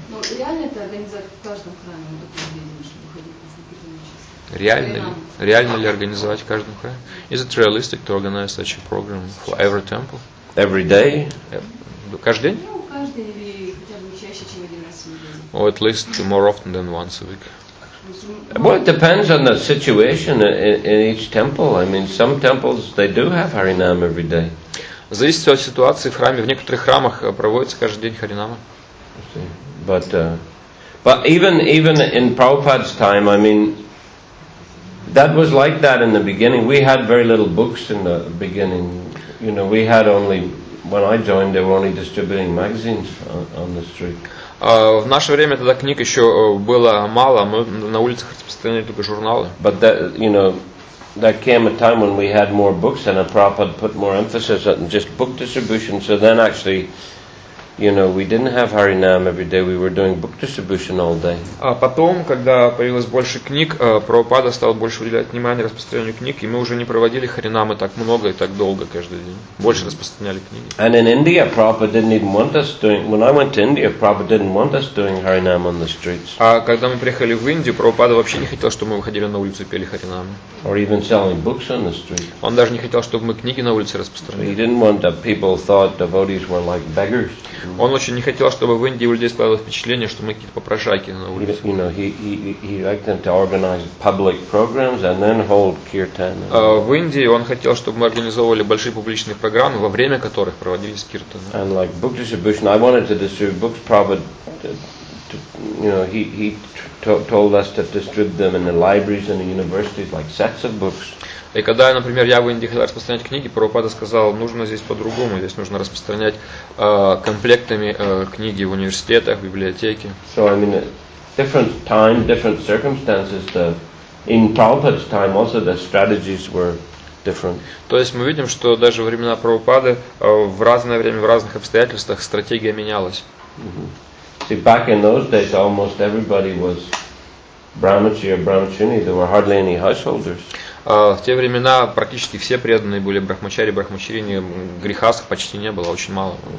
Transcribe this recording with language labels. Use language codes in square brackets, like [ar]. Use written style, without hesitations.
[ru] Ну, реально это организовать в каждом храме, чтобы ходить на Реально, реально ли организовать в каждом храме? [en] Is it realistic to organize such a program for every temple? Every day? [ru] Каждый день? Ну, каждый или хотя бы чаще, чем один раз в неделю. [en] Or at least more often than once a week. Well, it depends on the situation in each temple. I mean, some temples, they do have Harinam every day. [ru] Зависит от ситуации в храме. В некоторых храмах проводится каждый день Харинама. [en] But even in Prabhupada's time, I mean, that was like that in the beginning. We had very little books in the beginning. You know, we had only, when I joined, they were only distributing magazines on the street. [ru] В наше время тогда книг еще было мало, мы на улицах распространяли только журналы. [en] But that, you know, there came a time when we had more books and Prabhupada put more emphasis on just book distribution, so then actually, you know, we didn't have Harinam every day, we were doing book distribution all day. [ru] А потом, когда появилось больше книг, Прабхупада стал больше уделять внимание распространению книг, и мы уже не проводили Харинамы так много и так долго каждый день. Больше распространяли книги. [en] And in India, Prabhupada didn't even want us doing, when I went to India, Prabhupada didn't want us doing Harinam on the streets. [ru] А когда мы приехали в Индию, Прабхупада вообще не хотел, чтобы мы выходили на улицу и пели Харинамы. [en] Or even selling books on the street. [ru] Он даже не хотел, чтобы мы книги на улице распространяли. [en] He didn't want that people thought devotees were like beggars. [ru] Он очень не хотел, чтобы в Индии у людей складывалось впечатление, что мы какие-то попрошайки на улице. [en] You know, he liked them to organize public programs and then hold kirtan. [ru] В Индии он хотел, чтобы мы организовывали большие публичные программы, во время которых проводились киртаны. [en] And like book distribution, I wanted to distribute books, probably, to, you know, he told us to distribute them in the libraries and the universities, like sets of books. [ru] И когда, например, я в Индии хотел распространять книги, Прабхупада сказал, нужно здесь по-другому, здесь нужно распространять комплектами книги в университетах, в библиотеке. [en] So, I mean, different time, different circumstances. In Prabhupada's time also the strategies were different. [ru] То есть мы видим, что даже во времена Прабхупады в разное время, в разных обстоятельствах стратегия менялась. [en] See, back in those days almost everybody was Brahmachari or Brahmachuni, there were hardly any householders. [ru] В те времена практически все преданные были брахмачари, брахмачарини, грехаст почти не было, очень мало.